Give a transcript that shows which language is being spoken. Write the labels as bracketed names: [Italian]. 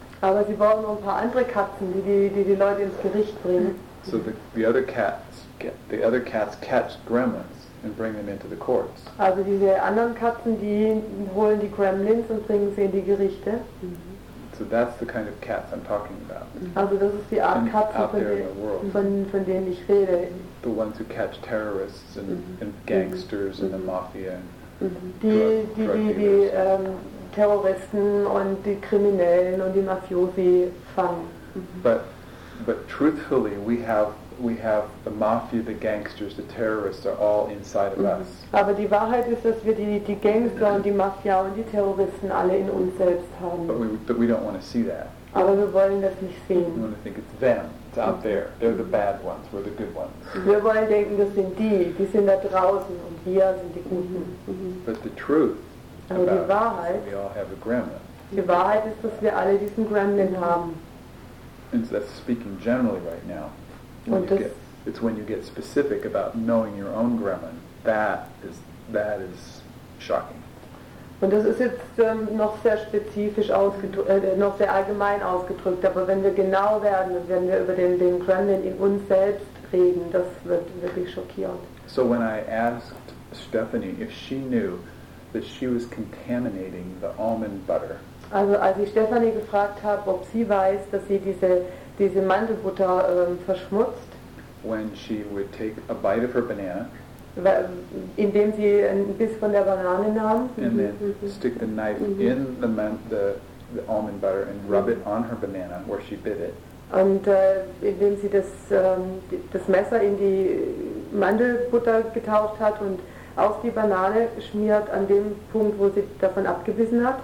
[German] Aber sie brauchen noch ein paar andere Katzen, die Leute ins Gericht bringen. [English] So the other cats catch gremlins and bring them into the courts. [German] Also diese anderen Katzen, die holen die Gremlins und bringen sie in die Gerichte. [English] So that's the kind of cats I'm talking about. [German] Also das ist die Art and Katzen, von denen ich rede. [English] The ones who catch terrorists and gangsters and the mafia and [German] die Terroristen und die Kriminellen und die Mafiosi fangen. [English] But truthfully, we have the mafia, the gangsters, the terrorists are all inside of us. [German] Aber die Wahrheit ist, dass wir die Gangster und die Mafia und die Terroristen alle in uns selbst haben. [English] But we don't want to see that. [German] Aber wir wollen das nicht sehen. [English] We want to think it's them. It's out there. They're the bad ones. We're the good ones. [German] Wir wollen denken, das sind die. Die sind da draußen und wir sind die Guten. [English] But the truth. [German] Aber die Wahrheit. [English] We all have a gremlin. [German] Die Wahrheit ist, dass wir alle diesen Gremlin haben. [English] And so that's speaking generally right now. It's when you get specific about knowing your own gremlin. That is shocking. [German] Und das ist jetzt noch sehr spezifisch noch sehr allgemein ausgedrückt. Aber wenn wir genau werden, wenn wir über den Gremlin in uns selbst reden, das wird wirklich schockierend. [English] So when I asked Stephanie if she knew that she was contaminating the almond butter. [German] Also als ich Stephanie gefragt habe, ob sie weiß, dass sie diese Mandelbutter verschmutzt. [English] When she would take a bite of her banana. [German] Indem sie einen Biss von der Banane nahm. [English] And then stick the knife in the almond butter and rub it on her banana where she bit it. [German] Und indem sie das Messer in die Mandelbutter getaucht hat und auf die Banane schmiert an dem Punkt, wo sie davon abgebissen hat.